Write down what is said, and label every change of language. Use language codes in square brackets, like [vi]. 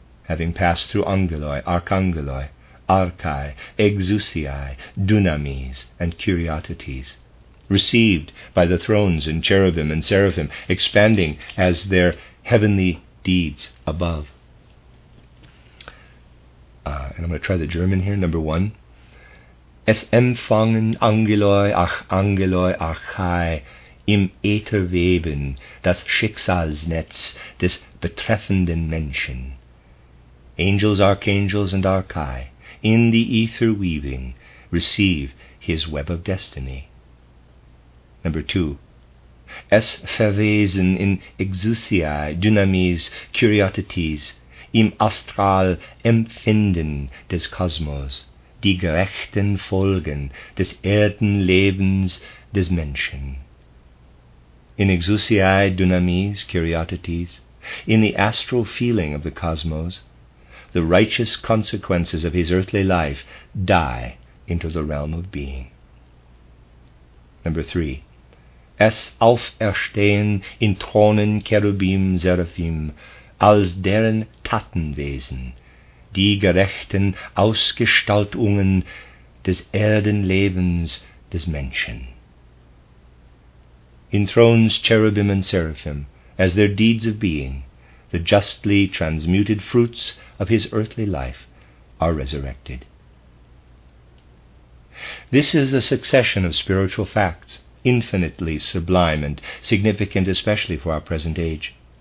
[en] having passed through Angeloi, Archangeloi, Archai, Exousiai, Dunamis, and Curiotities, received by the thrones and cherubim and seraphim, expanding as their heavenly deeds above. And I'm going to try the German here, number one. [de] Es empfangen Angeloi, ach Angeloi, Archai, im Äther weben das Schicksalsnetz des betreffenden Menschen. [en] Angels, archangels, and Archai, in the ether weaving, receive his web of destiny. Number two. [de] Es verwesen in Exousiae, Dynamis, Curiotities, im Astral Empfinden des Kosmos, die gerechten Folgen des Erdenlebens des Menschen. [en] In Exousiae, Dynamis, Curiotities, in the astral feeling of the cosmos, the righteous consequences of his earthly life die into the realm of being. Number three. [de] Es auferstehen in Thronen Cherubim Seraphim als deren Tatenwesen, die gerechten Ausgestaltungen des Erdenlebens des Menschen. [en] In thrones Cherubim and Seraphim, as their deeds of being, the justly transmuted fruits of his earthly life are resurrected. This is a succession of spiritual facts, infinitely sublime and significant, especially for our present age.